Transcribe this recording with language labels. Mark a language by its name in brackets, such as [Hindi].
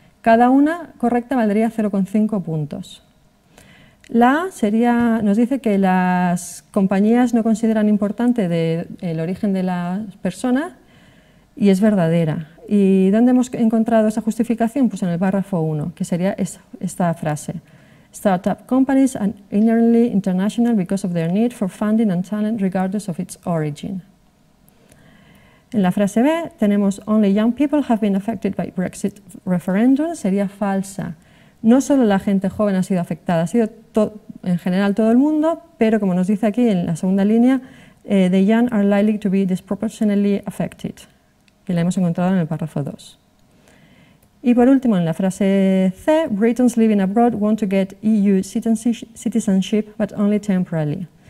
[Spanish] Cada una correcta valdría 0,5 puntos. Nos dice que las compañías no consideran importante el origen de la persona y es verdadera. ¿Y dónde hemos encontrado esa justificación? Pues en el párrafo 1, que sería esta frase. [English] Startup companies are inherently international because of their need for funding and talent regardless of its origin. [Spanish] En la frase B tenemos [English] only young people have been affected by Brexit referendum. [Spanish] Sería falsa. No solo la gente joven ha sido afectada, ha sido en general todo el mundo, pero como nos dice aquí en la segunda línea, [English] the young are likely to be disproportionately affected, [Spanish] que la hemos encontrado en el párrafo 2. Y por último, en la frase C, [English] Britons living abroad want to get EU citizenship, but only temporarily.